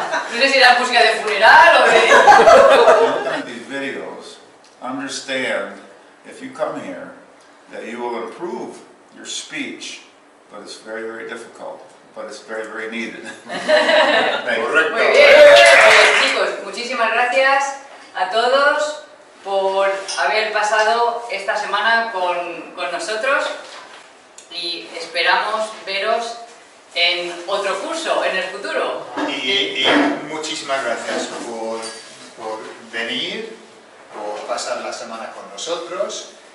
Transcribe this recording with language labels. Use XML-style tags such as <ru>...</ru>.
<es>No sé si era música de funeral o qué.</es> <en>Look at these videos. Understand, if you come here, that you will improve your speech, but it's very, very difficult, but it's very, very needed.</en> <es>Correcto. Muy bien. Pues, chicos, muchísimas gracias a todos por haber pasado esta semana con nosotros y esperamos veros en otro curso en el futuro. Y muchísimas gracias por venir, por pasar la semana con nosotros.</es>